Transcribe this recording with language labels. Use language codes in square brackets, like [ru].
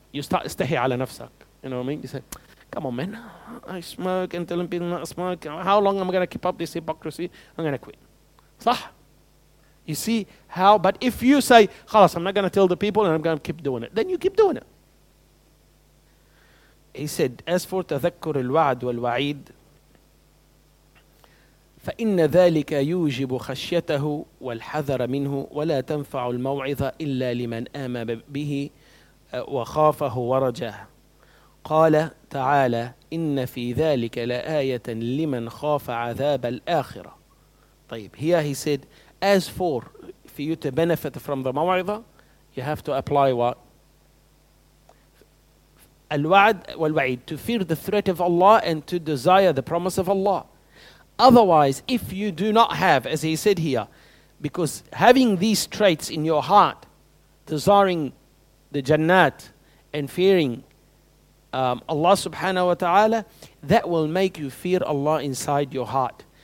[en] You start istahi ala nafsak. You know what I mean? You say, come on man, I smoke and telling people not to smoke. How long am I going to keep up this hypocrisy? I'm going to quit. Sah. You see how? But if you say, khalas, I'm not going to tell the people and I'm going to keep doing it, then you keep doing it. He said, as for [ar] تذكر الوعد والوعيد فإن ذلك يوجب خشيته والحذر منه ولا تنفع الموعظة إلا لمن آمن به وخافه ورجاه. قال تعالى إن في ذلك لآية لمن خاف عذاب الآخرة. طيب, [en] here he said, as for, for you to benefit from the maw'idha, you have to apply what? Al-wa'd wal-wa'id, to fear the threat of Allah and to desire the promise of Allah. Otherwise, if you do not have, as he said here, because having these traits in your heart, desiring the jannat and fearing Allah subhanahu wa ta'ala, that will make you fear Allah inside your heart.